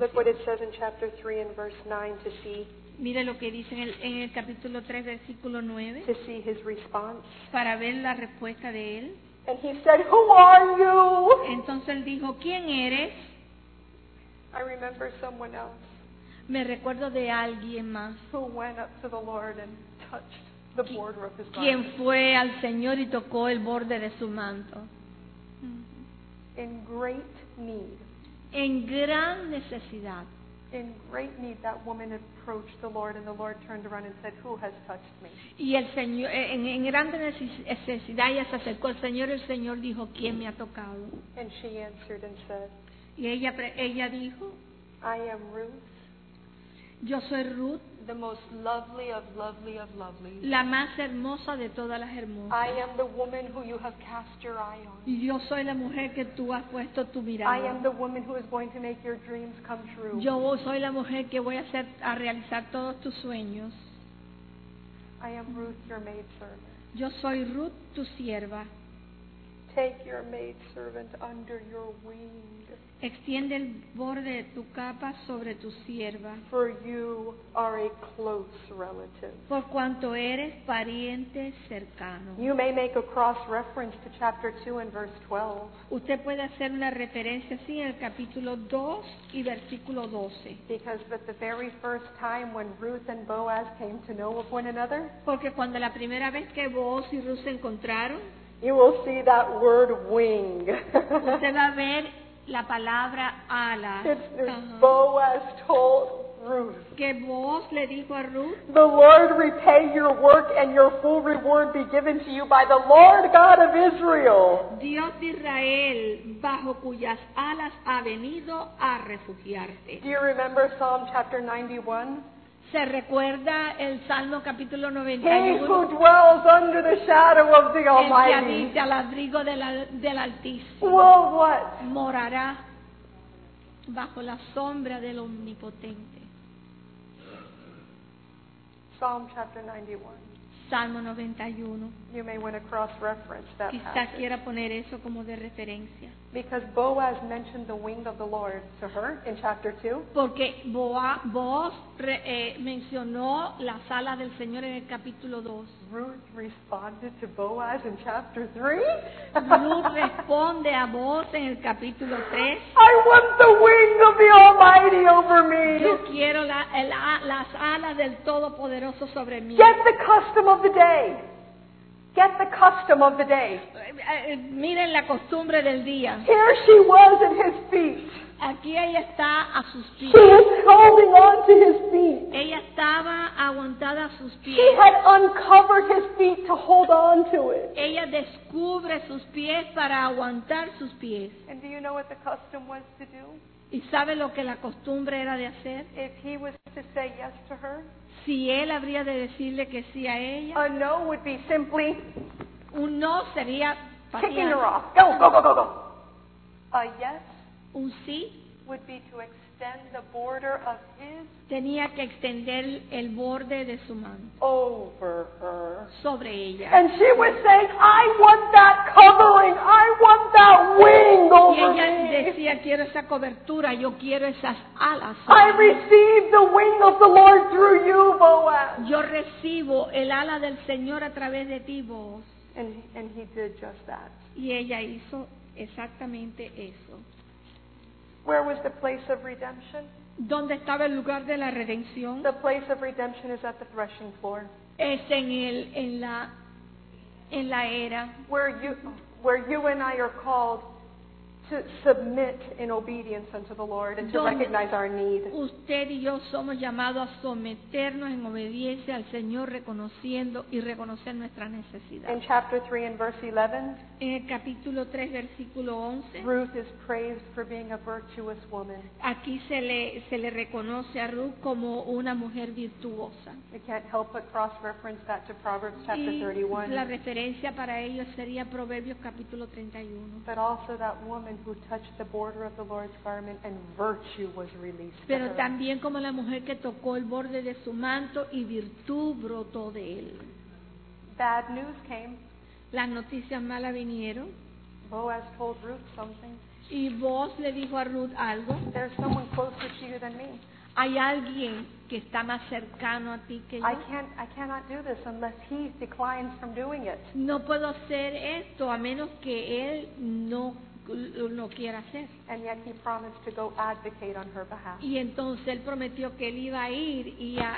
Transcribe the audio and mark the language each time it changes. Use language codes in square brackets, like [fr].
[en] Look what it says in chapter 3 and verse 9 to see. [es] Mire lo que dice en el capítulo 3, versículo 9. [en] To see his response. [es] Para ver la respuesta de él. [en] And he said, "Who are you?" [es] Entonces él dijo, ¿quién eres? [en] I remember someone else. [es] Me recuerdo de alguien más. [en] Who went up to the Lord and touched the border of his garment. [es] Quien fue al Señor y tocó el borde de su manto. [en] In great need. [es] En gran necesidad. [en] In great need, that woman approached the Lord, and the Lord turned around and said, "Who has touched me?" [es] Y el Señor, en grande necesidad, ella se acercó al Señor. El Señor dijo, "¿Quién me ha tocado?" [en] And she answered and said, [es] y ella dijo, [en] "I am Ruth." [es] Yo soy Ruth. [en] The most lovely of lovely of lovely. [es] La más hermosa de todas las hermosas. [en] I am the woman who you have cast your eye on. [es] Y yo soy la mujer que tú has puesto tu mirada. [en] I am the woman who is going to make your dreams come true. [es] Yo soy la mujer que voy a hacer a realizar todos tus sueños. [en] I am Ruth, your maid servant. [es] Yo soy Ruth, tu sierva. [en] Take your maidservant under your wing. [es] Extiende el borde de tu capa sobre tu sierva. [en] For you are a close relative. [es] Por cuanto eres pariente cercano. [en] You may make a cross reference to chapter 2 and verse 12. [es] Usted puede hacer una referencia sí en el capítulo 2 y versículo 12. [en] Because at the very first time when Ruth and Boaz came to know of one another. [es] Porque cuando la primera vez que Boaz y Ruth se encontraron. [en] You will see that word wing. [es] Usted va a ver la palabra ala. [en] Boaz told Ruth. [es] Que Boaz le dijo a Ruth. [en] The Lord repay your work and your full reward be given to you by the Lord God of Israel. [es] Dios de Israel, bajo cuyas alas ha venido a refugiarte. [en] Do you remember Psalm chapter 91? [es] ¿Se recuerda el Salmo capítulo [en] 91? He who dwells under the shadow of the Almighty. [es] El que habita al abrigo del Altísimo. [en] Will what? [es] Morará bajo la sombra del Omnipotente. [en] Psalm chapter 91. [es] Salmo 91. [en] You may want to cross-reference that [es] quizá [en] passage. [es] Quiera poner eso como de referencia. [en] Because Boaz mentioned the wing of the Lord to her in chapter 2. [es] Porque Boaz mencionó las alas del Señor en el capítulo 2. [en] Ruth responded to Boaz in chapter 3. [es] Ruth responde a Boaz en el capítulo 3. [en] I want the wing of the Almighty over me. [es] Yo quiero las alas del Todopoderoso sobre mí. [en] Get the custom of the day. Get the custom of the day. [es] Miren la costumbre del día. [en] Here she was at his feet. [es] Aquí ella está a sus pies. [en] She was holding on to his feet. [es] Ella estaba aguantada a sus pies. [en] She had uncovered his feet to hold on to it. [es] Ella descubre sus pies para aguantar sus pies. [en] And do you know what the custom was to do? [es] ¿Y sabe lo que la costumbre era de hacer? [en] If he was to say yes to her. [es] Si él habría de decirle que sí a ella. [en] A no would be simply [es] un no sería patear. [en] Kicking her off. Go, go, go, go, go. A yes. [es] Un sí [en] would be to extend the border of his. [es] Tenía que extender el borde de su mano. [en] Over her. [es] Sobre ella. [en] And she was saying, I want that covering. I want that wing over me. [es] Y ella [en] me. [es] Decía, quiero esa cobertura. Yo quiero esas alas. [en] I receive the wing of the Lord through you, Boaz. [es] Yo recibo el ala del Señor a través de ti, Boaz. [en] And he did just that. [es] Y ella hizo exactamente eso. [en] Where was the place of redemption? [es] ¿Dónde estaba el lugar de la redención? [en] The place of redemption is at the threshing floor. [es] Es en la era. [en] Where you and I are called to submit in obedience unto the Lord and to recognize our need. [es] Usted y yo somos llamados a someternos en obediencia al Señor reconociendo y reconocer nuestra necesidad. [en] In chapter 3 and verse 11. [es] En el capítulo 3 versículo 11. [en] Ruth is praised for being a virtuous woman. [es] Aquí se le reconoce a Ruth como una mujer virtuosa. [en] I can't help but cross reference that to Proverbs chapter 31. [es] Y la referencia para ello sería Proverbios capítulo 31. [en] But also that woman who touched the border of the Lord's garment and virtue was released. [es] Pero también como la mujer que tocó el borde de su manto y virtud brotó de él. [en] Bad news came. [es] Las noticias malas vinieron. [en] Boaz told Ruth something. [es] Y Boaz le dijo a Ruth algo. [en] There's someone closer to you than me. [es] Hay alguien que está más cercano a ti que yo. [en] I cannot do this unless he declines from doing it. [es] No puedo hacer esto a menos que él no quiera hacer. [en] And yet he promised to go advocate on her behalf. [es] Y entonces él prometió que él iba a ir y